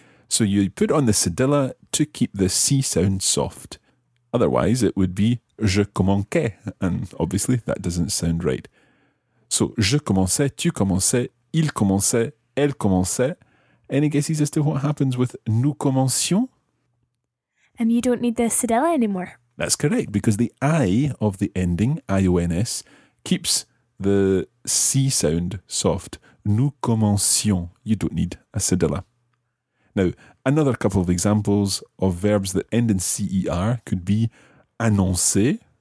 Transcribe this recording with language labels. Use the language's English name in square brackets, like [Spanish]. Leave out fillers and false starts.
[English] So you put on the cedilla to keep the C sound soft. Otherwise, it would be [French] je commençais. [English] And obviously, that doesn't sound right. [French] So je commençais, tu commençais, il commençait, elle commençait. [English] Any guesses as to what happens with [French] nous commencions? [English] You don't need the cedilla anymore. That's correct, because the I of the ending, I-O-N-S, keeps the C sound soft. [French] Nous commencions. [English] You don't need a cedilla. Now, another couple of examples of verbs that end in C-E-R could be annoncer.